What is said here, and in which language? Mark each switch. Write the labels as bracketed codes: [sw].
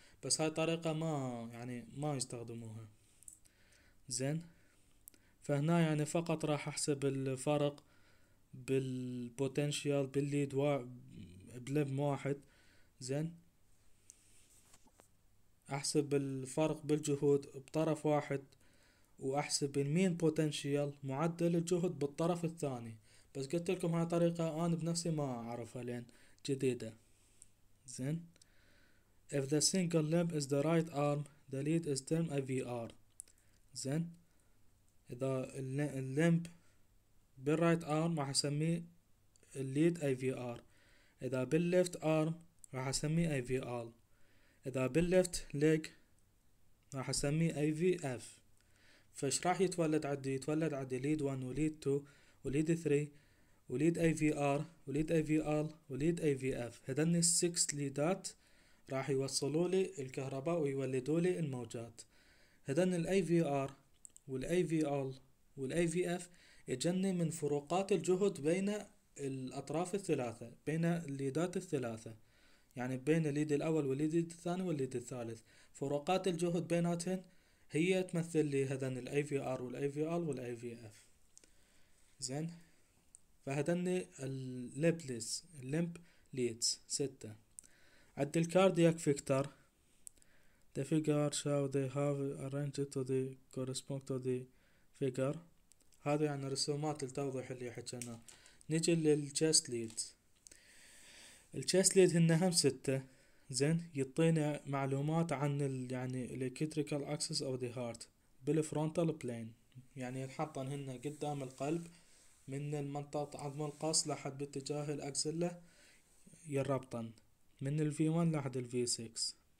[ar] بس هاي طريقة ما يعني ما يستخدموها. زين، فهنا يعني فقط راح احسب الفرق بالبوتنشيال بالليد بليب واحد. زين، احسب الفرق بالجهود بطرف واحد، واحسب المين بوتنشيال معدل الجهد بالطرف الثاني. بس قلت لكم هاي طريقة انا بنفسي ما اعرفها لين جديدة. [en] زين، if the single limb is the right arm, the lead is termed a VR. [ar] زين، إذا الليمب بالرايت ارم راح أسميه الليد اي في ار، إذا بالليفت ارم راح أسميه اي في ال، إذا بالليفت ليج راح أسميه اي في اف. فش راح يتولد عندي؟ يتولد عندي ليد 1 وليد 2 وليد 3 وليد اي في ار وليد اي في ال وليد اي في اف. هذني السكس ليدات راح يوصلوا لي الكهرباء ويولدوا لي الموجات. هذن الاي في ار والاي في ال والاي في اف يجني من فروقات الجهد بين الاطراف الثلاثه، بين الليدات الثلاثه، يعني بين الليد الاول والليد الثاني والليد الثالث. فروقات الجهد بيناتهن هي تمثل لي هذن الاي في ار والاي في ال والاي في اف. زين، فهذن الليبليس الليمب ليدز سته. عد الكاردياك فيكتور، [en] the figure show they have arranged to the correspond to the figure. [ar] هذا يعني رسومات التوضيح اللي حكينا. نيجي للتشست ليد. التشست ليد هن هم ستة. زين، يعطينا معلومات عن ال يعني [en] electrical axis of the heart [ar] بالفرونتال بلين، يعني الحطن هن قدام القلب من المنطقة عظم القص لحد باتجاه الأكسلة يربطن من ال V1 لحد ال V6.